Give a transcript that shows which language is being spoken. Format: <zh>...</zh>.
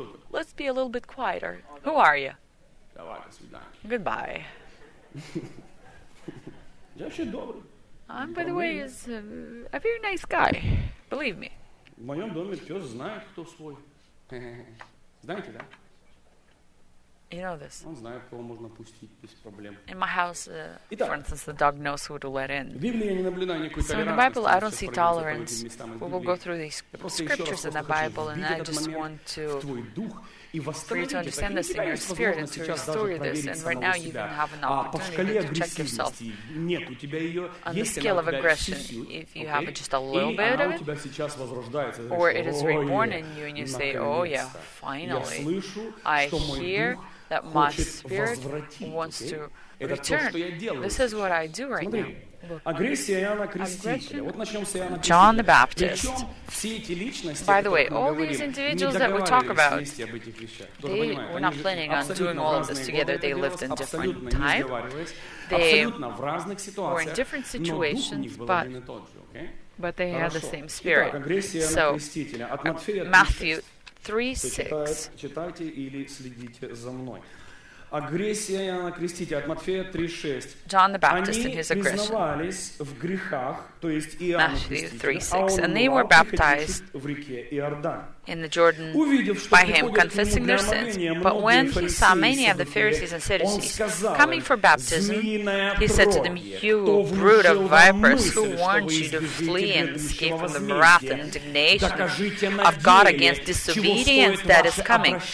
<en>Let's be a little bit quieter. Who are you? Goodbye. I'm, by the way, is a very nice guy. Believe me.</en> <ru>В моем доме пес знает, кто свой. Знаете, да?</ru> <en>You know this.</en> <ru>Он знает, кого можно пустить без проблем.</ru> <en>In my house, for instance, the dog knows who to let in. So in the Bible, I don't see tolerance. We will go through these scriptures in the Bible, and I just want to for you to understand this in your spirit and to restore this. And right now, you even have an opportunity to check yourself on the scale of aggression. If you have just a little bit of it, or it is reborn in you, and you say, oh, yeah, finally, I hear that my spirit wants to return. This is what I do right now.</en> <ru>Агрессия Иоанна Крестителя. Вот начнем с Иоанна</ru> <en>John the Baptist.</en> <ru>Все эти личности,</ru> <en>by the way, all these individuals that we talk about, they were not planning on doing all of this together. They lived in different time. They were in different situations, but they had the same spirit. So, Matthew 3:6.</en> <ru>Читайте или следите за мной. Агрессия Иоанна Крестителя от Матфея 3:6.</ru> <en>John the Baptist and his aggression.</en> <ru>Они признавались в грехах, то есть Иоанн</ru> <en>Креститель, and they were baptized</en> <ru>в реке Иордан.</ru> <en>In the Jordan,</en> <ru>увидев,</ru> <en>by him confessing their sins. But when he saw many of the Pharisees and Sadducees coming for baptism, he said to them, "You brood of vipers, who warned you to flee and escape from the wrath and indignation of God against disobedience that is coming?</en>